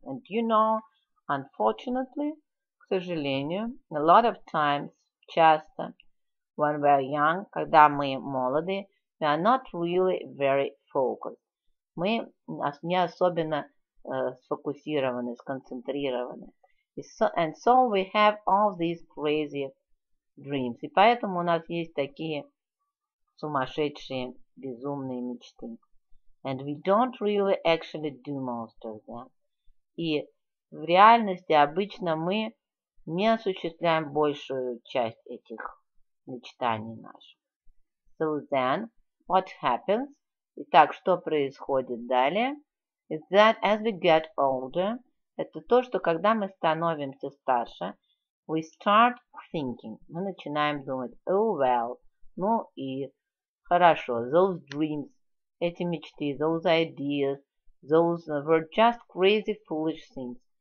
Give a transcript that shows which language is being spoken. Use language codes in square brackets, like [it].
[en] And you know, unfortunately, [ru] к сожалению, [en] a lot of times, [ru] часто, [en] when we are young, [ru] когда мы молоды, [en] we are not really very focused. [ru] Мы не особенно сфокусированы, сконцентрированы. [en] And so we have all these crazy dreams. [ru] И поэтому у нас есть такие сумасшедшие, безумные мечты. [en] And we don't really actually do most of them. [ru] И в реальности обычно мы не осуществляем большую часть этих мечтаний наших. [en] So then, what happens? [ru] Итак, что происходит далее? [en] Is that as we get older, [ru] это то, что когда мы становимся старше, [en] we start thinking, [ru] мы начинаем думать, [en] oh well, [ru] ну и хорошо, [en] those dreams, [ru] эти мечты, [en] those ideas, those were just crazy foolish things.